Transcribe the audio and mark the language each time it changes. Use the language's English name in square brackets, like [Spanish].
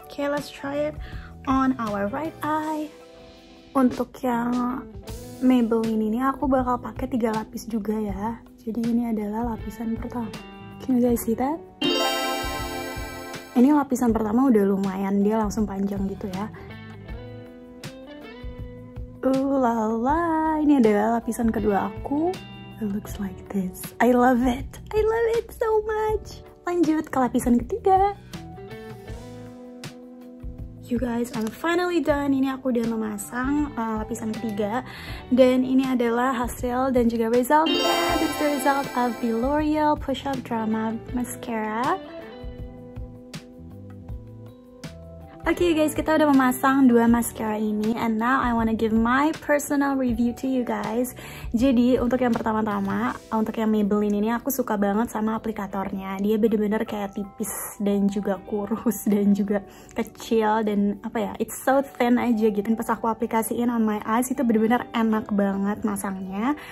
[English] Okay, let's try it on our right eye. [Indonesian] Untuk yang Maybelline ini aku bakal pakai 3 lapis juga ya. Jadi ini adalah lapisan pertama. [English] Can you guys see that? [Indonesian] Ini lapisan pertama udah lumayan, dia langsung panjang gitu ya. Lala, ini adalah lapisan kedua aku. [English] It looks like this. I love it. I love it so much. [Indonesian] Lanjut ke lapisan ketiga. [English] You guys, I'm finally done. [Indonesian] Ini aku udah memasang lapisan ketiga. Dan ini adalah hasil dan juga resultnya. [English] This is the result of the L'Oreal Push Up Drama Mascara. [Indonesian] Okay, guys, kita udah memasang 2 mascara ini. [English] And now I wanna give my personal review to you guys. [Indonesian] Jadi, untuk yang pertama-tama, untuk yang Maybelline ini, aku suka banget sama aplikatornya. Dia bener-bener kayak tipis dan juga kurus dan juga kecil dan apa ya, [English] it's so thin [Indonesian] aja gitu. Dan pas aku aplikasiin [English] on my eyes, [Indonesian] itu bener-bener enak banget masangnya.